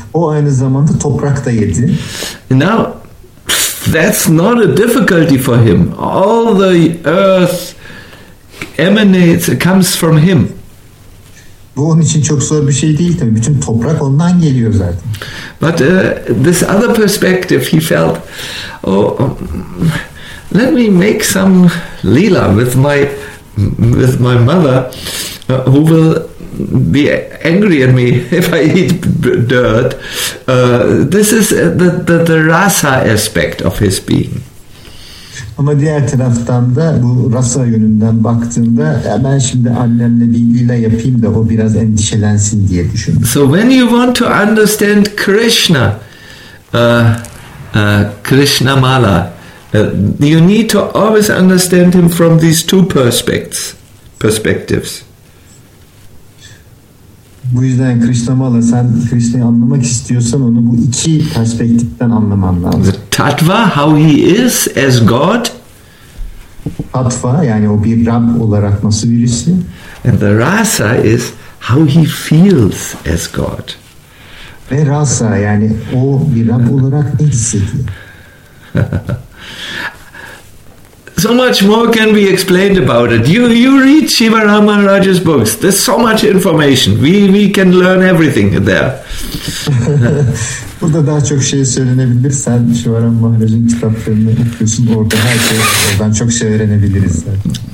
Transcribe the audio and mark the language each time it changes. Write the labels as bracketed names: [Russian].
[Turkish] O aynı zamanda toprak da yedi. [English] Now that's not a difficulty for him. All the earth emanates, comes from him. [Turkish] Bu onun için çok zor bir şey değil tabii. Bütün toprak ondan geliyor zaten. [English] But this other perspective, he felt, oh, let me make some lila with my mother, who will be angry at me if I eat dirt. This is the rasa aspect of his being. [Turkish] Ama diğer taraftan da bu rasa yönünden baktığında ben şimdi annemle bir lila yapayım da o biraz endişelensin diye düşündüm. [English] So when you want to understand Krishna, Krishna Mala, you need to always understand him from these two perspectives. [Turkish] Bu yüzden Krishna Mala, sen Krishna'yı anlamak istiyorsan onu bu iki perspektiften anlaman lazım. [English] The tattva, how he is as God. [Turkish] Tattva, yani o bir Rab olarak nasıl birisi. [English] And the rasa is how he feels as God. [Turkish] Ve rasa, yani o bir Rab olarak ne hissediyor. [English] So much more can be explained about it. You read Sivaram Maharaj's books. There's so much information. We can learn everything there. [Turkish] Burada daha çok şey söylenebilir. Sen Sivaram Maharaj'ın kitaplarını okuyorsun. Orada her şey, oradan çok şey öğrenebiliriz zaten.